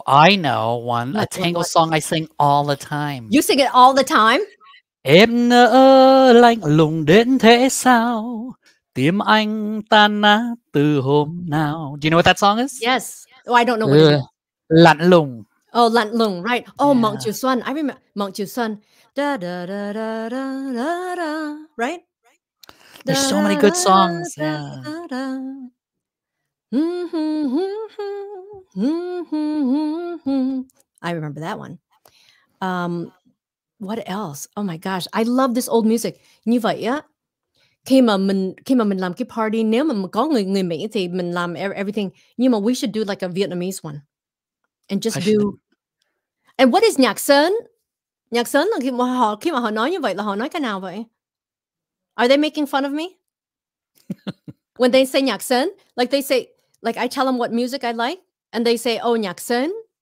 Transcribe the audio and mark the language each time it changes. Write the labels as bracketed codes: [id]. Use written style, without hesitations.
[en] I know one. A tango song I sing all the time. You sing it all the time? [vi] Em nỡ lạnh lùng đến thế sao? Tim anh tan nát từ hôm nào. [en] Do you know what that song is? Yes. Oh, I don't know what it is. [vi] Lạnh lùng. [en] Oh, lạnh lùng, right. Oh, yeah. Mộng chiều xuân. I remember Mộng chiều xuân. Da da da da da da da. Right? There's so many good songs. I remember that one. What else? Oh my gosh, I love this old music. [vi] Như vậy á, khi mà mình làm cái party, nếu mà có người Mỹ thì mình làm everything. Nhưng mà [en] we should do like a Vietnamese one, and just do. And what is nhạc sơn? [vi] Nhạc sơn là khi mà họ nói như vậy là họ nói cái nào vậy? [en] Are they making fun of me? When they say nhạc sơn, like they say, like I tell them what music I like, and they say, oh nhạc sơn.